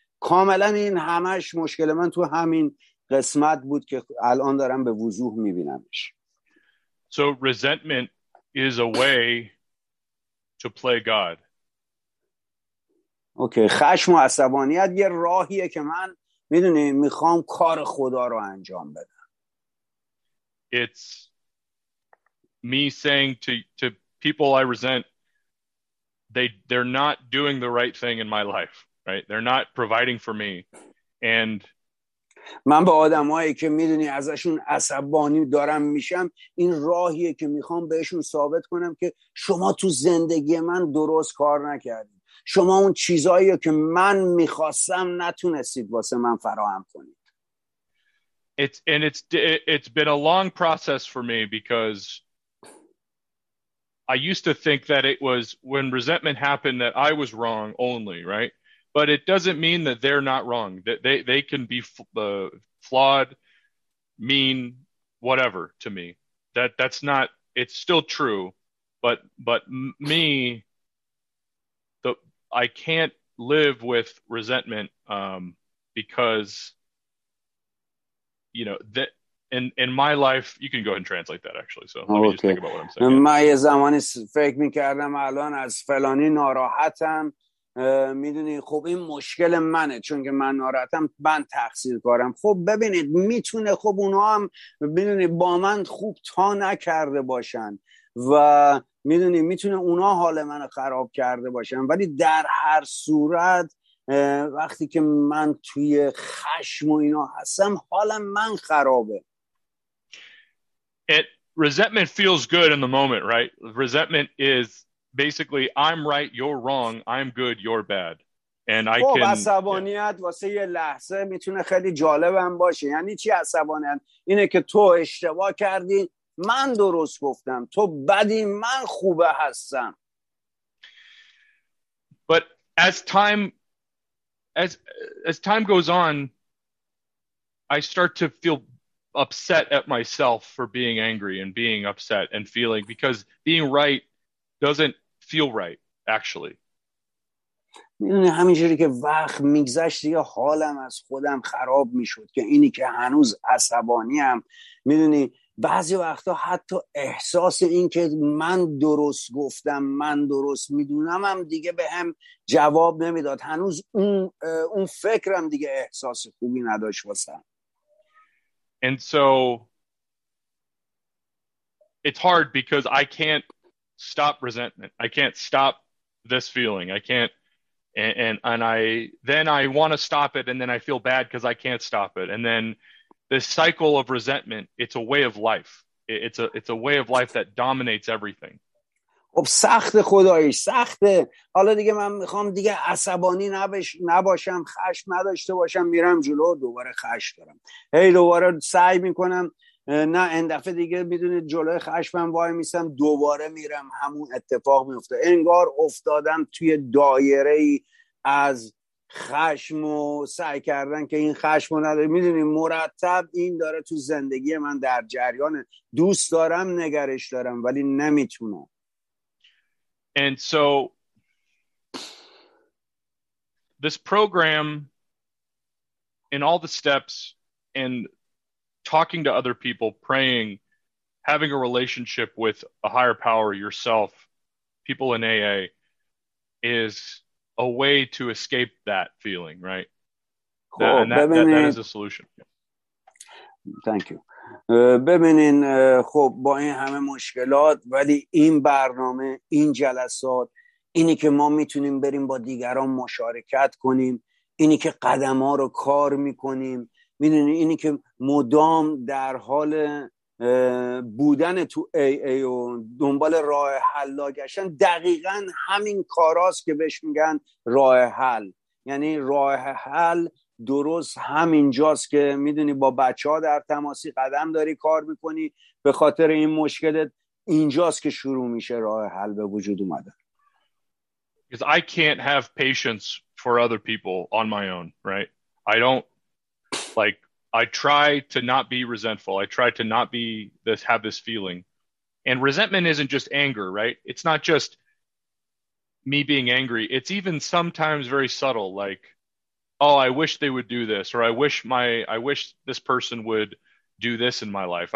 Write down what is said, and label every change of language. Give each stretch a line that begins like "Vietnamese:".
Persian: کاملا این همش مشکل من تو همین قسمت بود که الان دارم به وضوح میبینمش.
English: So resentment is a way to play God.
Persian: اوکی، خشم و عصبانیت یه راهیه که من میدونی میخوام کار خدا رو انجام بدم.
English: It's me saying to people I resent, they're not doing the right thing in my life, right? They're not providing for me. And
Persian: من به آدمایی که میدونی ازشون عصبانی دارم میشم، این راهیه که میخوام بهشون ثابت کنم که شما تو زندگی من درست کار نکردید. شما اون چیزایی که من میخواستم نتونستید واسه من فراهم کنید.
English: It's been a long process for me because I used to think that it was when resentment happened that I was wrong only, right? But it doesn't mean that they're not wrong. That they can be flawed, mean, whatever to me. That's not. It's still true, but me. I can't live with resentment because, you know, that in my life, you can go ahead and translate that actually. So let me just think about what I'm saying.
Persian: من یه زمانی فکر میکردم الان از فلانی ناراحتم. میدونی خب این مشکل منه چون که من ناراحتم، من تقصیرکارم. خب ببینید میتونه خب اونا هم میدونی با من خوب تا نکرده باشن و میدونی میتونه اونا حال منو خراب کرده باشن، ولی در هر صورت وقتی که من توی خشم و اینا هستم حال من خرابه.
English: Resentment feels good in the moment, right? Resentment is basically I'm right, you're wrong, I'm good, you're bad. And I
Persian: خب عصبانیت واسه یه لحظه میتونه خیلی جالب هم باشه. یعنی چی عصبانیت؟ اینه که تو اشتباه کردی، من درست گفتم، تو بدی، من خوبه هستم.
English: But as time goes on, I start to feel upset at myself for being angry and being upset and feeling, because being right doesn't feel right actually.
Persian: همینجوری که وقت میگذشت دیگه حالم از خودم خراب میشد، که اینی که هنوز عصبانی ام. میدونی بعضی وقتا حتی احساس این که من درست گفتم، من درست میدونم، هم دیگه به هم جواب نمیداد. هنوز اون فکرم دیگه احساس خوبی نداشت واسم.
English: And so it's hard because I can't stop resentment. I can't stop this feeling. I can't and I want to stop it, and then I feel bad because I can't stop it. And then this cycle of resentment, it's a way of life. It's a way of life that dominates everything.
Persian: خب سخت خدایش سخته. حالا دیگه من میخوام دیگه عصبانی نباشم، خشم نداشته باشم، میرم جلو دوباره خشم دارم. هی دوباره سعی میکنم، نه این دفعه دیگه میدونید جلو خشمم وای میستم، دوباره میرم همون اتفاق میفته. انگار افتادم توی دایره ای از خشم و سعی کردن که این خشم رو نداره. میدونی مرتب این داره تو زندگی من در جریانه. دوست دارم، نگرش دارم، ولی نمیتونم.
English: And so this program in all the steps and talking to other people, praying, having a relationship with a higher power, yourself, people in AA, is a way to escape that feeling, right? Cool. That is a solution. Thank you.
Persian: ببینین خب با این همه مشکلات ولی این برنامه این جلسات اینی که ما میتونیم بریم با دیگران مشارکت کنیم اینی که قدم ها رو کار میکنیم میدونین اینی که مدام در حال بودن تو ای ای و دنبال راه حل لاگشن دقیقا همین کاراست که بهش میگن راه حل یعنی راه حل درست همینجاست که میدونی با بچه ها در تماسی قدم داری کار میکنی به خاطر این مشکلت اینجاست که شروع میشه راه حل به وجود اومده
English: Because I can't have patience for other people on my own, right? I don't, like, I try to not be resentful. I try to not be this, have this feeling. And resentment isn't just anger, right? It's not just me being angry. It's even sometimes very subtle, like, oh, I wish they would do this, or I wish this person would do this in my life.